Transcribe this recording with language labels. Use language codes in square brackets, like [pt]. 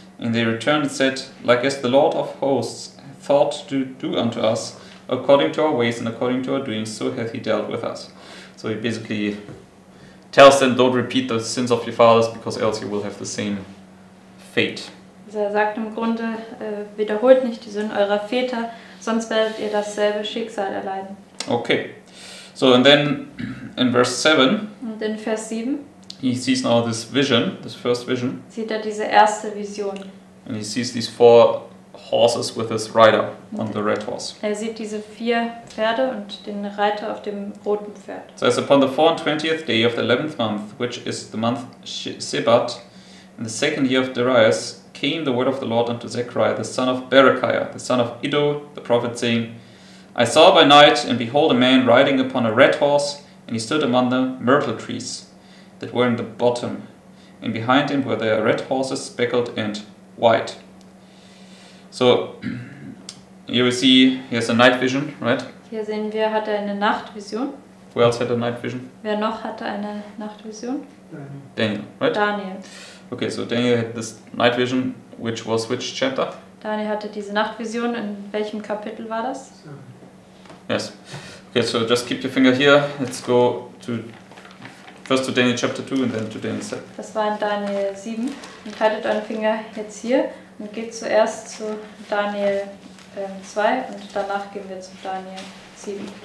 [en] And they returned and said, like as the Lord of hosts thought to do unto us, according to our ways and according to our doings, so hath he dealt with us. So he basically tells them, don't repeat the sins of your fathers, because else you will have the same fate. [de] Also er sagt im Grunde, wiederholt nicht die Sünden eurer Väter, sonst werdet ihr dasselbe Schicksal erleiden. [en] Okay, so and then in verse 7, [de] und in Vers 7, [en] he sees now this vision, this first vision, [de] sieht er diese erste Vision. [en] And he sees these four horses with his rider on the red horse. [de] Er sieht diese vier Pferde und den Reiter auf dem roten Pferd. [en] So it's upon the 24th day of the 11th month, which is the month Sebat, in the second year of Darius, came the word of the Lord unto Zechariah, the son of Berechiah, the son of Iddo, the prophet, saying, I saw by night, and behold, a man riding upon a red horse, and he stood among the myrtle trees that were in the bottom, and behind him were their red horses speckled and white. So, here we see, he has a night vision, right? [de] Hier sehen wir, hat eine Nachtvision. [en] Who else had a night vision? [de] Wer noch hatte eine Nachtvision? [en] Daniel, right? [de] Daniel. [en] Okay, so Daniel had this night vision, which was which chapter? [de] Daniel hatte diese Nachtvision, in welchem Kapitel war das? [en] Yes. Okay, so just keep your finger here. Let's go to first to Daniel chapter 2 and then to Daniel 7. [de] Das war in Daniel 7. Und haltet euren Finger jetzt hier und geht zuerst zu Daniel 2 und danach gehen wir zu Daniel 7.